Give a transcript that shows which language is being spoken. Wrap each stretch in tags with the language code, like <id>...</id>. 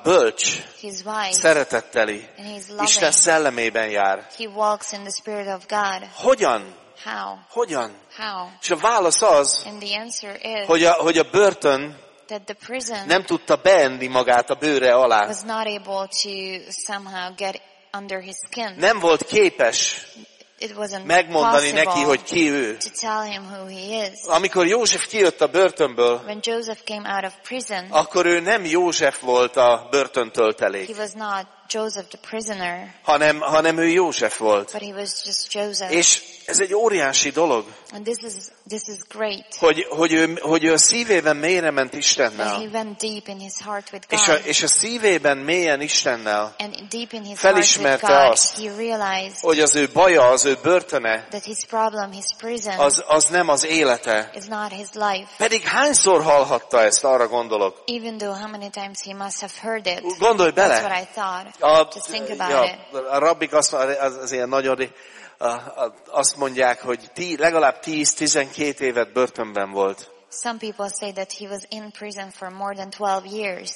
<hu>bölcs,</hu> <en>his wife,</en> <hu>szeretetteli,</hu> <en>and he's loving.</en> <hu>Isten szellemében jár.</hu> <en>He walks in the spirit of God.</en> <hu>Hogyan?</hu> <en>How?</en> <hu>Hogyan?</hu> <en>How?</en> <hu>És a válasz az,</hu> <en>and the answer is,</en> <hu>hogy a börtön</hu> <en>that the prison</en> <hu>nem tudta beenni magát a bőre alá.</hu> <en>Was not able to somehow get under his skin.</en> <hu>Nem volt képes.</hu> <en>It wasn't</en> <hu>megmondani neki, hogy ki ő.</hu> <en>To tell him who he is.</en> <hu>Amikor József kijött a börtönből,</hu> <en>when Joseph came out of prison,</en> <hu>akkor ő nem József volt a börtöntöltelék.</hu> <en>He was not Joseph the prisoner.</en> <hu>Hanem ő József volt.</hu> <en>But he was just Joseph.</en> <hu>És ez egy óriási dolog.</hu> <en>And this is great.</en> <hu>Hogy ő szívében mélyre ment Istennel.</hu> <en>And he went deep in his heart with God.</en> <hu>És a szívében mélyen Istennel.</hu> <en>And deep in his</en> <hu>felismerte</hu> <en>heart with God,</en> <hu>azt,</hu> <en>he realized,</en> <hu>hogy az ő baja, az ő börtöne,</hu> <en>that his problem, his prison,</en> <hu>az nem az élete.</hu> <en>Is not his life.</en> <hu>Pedig hányszor hallhatta ezt, arra gondolok.</hu> <en>Even though how many times he must have heard it.</en> <hu>Gondolj bele.</hu> <en>That's what I thought. A</en> <hu>rabbik az ilyen nagyon azt mondják, hogy legalább 10-12 évet börtönben volt.</hu> <en>Some people say that he was in prison for more than 12 years.</en>